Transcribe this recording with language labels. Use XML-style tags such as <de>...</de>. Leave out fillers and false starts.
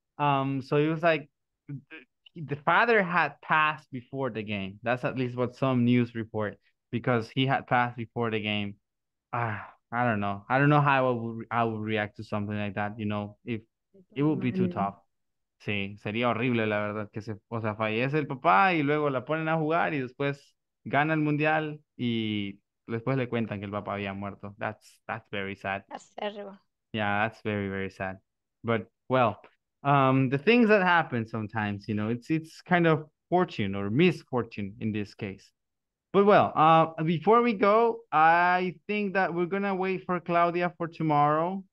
<en>So it was like, the father had passed before the game. That's at least what some news report, because he had passed before the game. I don't know. I don't know how I would react to something like that. You know, if it would be too tough.</en> <es>Sí, sería horrible, la verdad, que se, o sea, fallece el papá y luego la ponen a jugar y después gana el mundial y después le cuentan que el papá había muerto.</es> <en>That's very sad. That's terrible. Yeah, that's very, very sad. But well, the things that happen sometimes, you know, it's kind of fortune or misfortune in this case. But well, before we go, I think that we're going to wait for Claudia for tomorrow.</en>